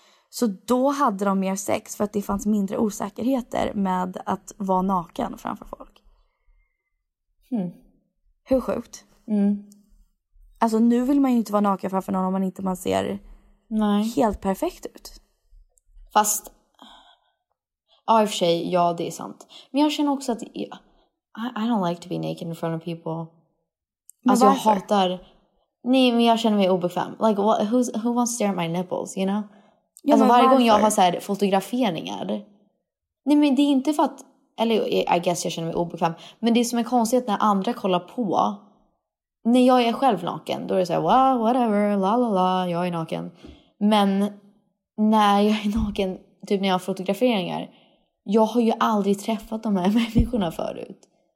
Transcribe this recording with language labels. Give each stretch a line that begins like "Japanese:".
Swedish: Så då hade de mer sex för att det fanns mindre osäkerheter med att vara naken framför folk. Hur sjukt. Alltså nu vill man ju inte vara naken framför någon om man inte ser... Nej. Helt perfekt ut. Fast... Ja, i och för sig, ja, det är sant. Men jag känner också att...
English: I don't like to be naked in front of people.
Swedish: Men alltså, varför? Jag hatar... Nej, men jag känner mig obekväm.
English: Like, who wants to stare at my nipples, you know?
Swedish: Ja, alltså, varje gång jag har så här fotograferingar... Nej, men det är inte för att... Eller,
English: I guess
Swedish: jag känner mig obekväm. Men det som är konstigt när andra kollar på... När jag är själv naken, då är det så här, wow, whatever, la la la, jag är naken. Men när jag är naken, typ när jag har fotograferingar, jag har ju aldrig träffat de här människorna förut.